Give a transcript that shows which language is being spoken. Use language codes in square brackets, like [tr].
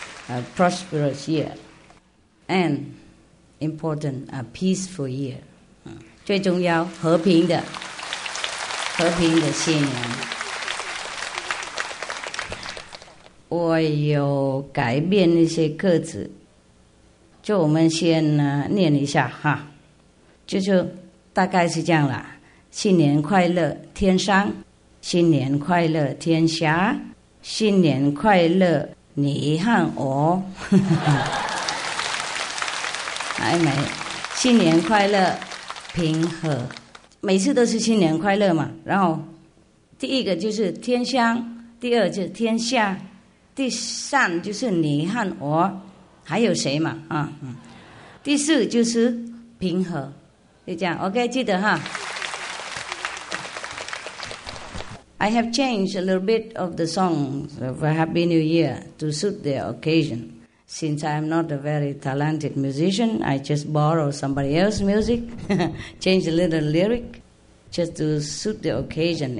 [en] A prosperous year and important a peaceful year. [zh] 最重要和平的和平的新年。我有改变一些歌词，就我们先念一下哈，就是大概是这样啦：新年快乐天上，新年快乐天下，新年快乐你和我。还没，新年快乐平和，每次都是新年快乐嘛。然后第一个就是天上，第二就是天下，第三就是你和我，还有谁嘛？第四就是平和，就这样。OK， 记得哈。 [en] I have changed a little bit of the songs of a Happy New Year to suit the occasion. Since I am not a very talented musician, I just borrow somebody else's music, change a little lyric, just to suit the occasion.